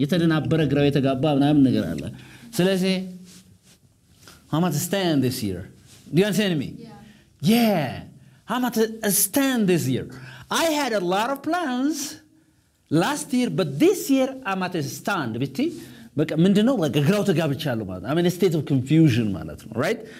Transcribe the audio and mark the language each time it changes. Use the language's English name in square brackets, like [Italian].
[Amharic] የተደናበረ ግራው የተጋባ ምናምን ነገር አለ. ስለዚህ [English] I'm at a stand this year. Do you understand me? Yeah. I'm at a stand this year. I had a lot of plans last year, but this year I'm at a stand. [Amharic] በቃ ምንድን ነው? በቃ ግራው ተጋብቻለሁ ማለት ነው። ስቴት ኦፍ ኮንፊውዥን ማለት ነው። ራይት?